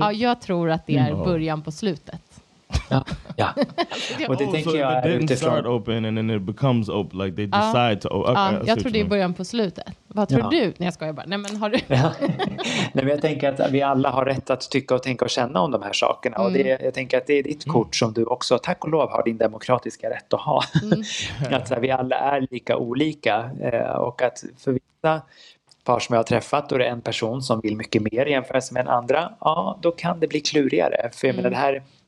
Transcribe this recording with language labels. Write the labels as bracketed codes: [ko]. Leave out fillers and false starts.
[sv] Ja, jag tror att det är början på slutet. Ja. Ja. Och det tänker jag utifrån. [en] Start open and then it becomes open, like they decide to open. [sv] Jag tror det är början på slutet. Vad tror du? Nej, jag skojar bara. Nej, men har du? Nej, men jag tänker att vi alla har rätt att tycka och tänka och känna om de här sakerna. Och det, jag tänker att det är ditt kort som du också, tack och lov, har din demokratiska rätt att ha. Att så här, vi alla är lika olika. Och att för vissa par som jag har träffat, och det är en person som vill mycket mer jämfört med en andra, ja, då kan det bli klurigare. För jag menar, det här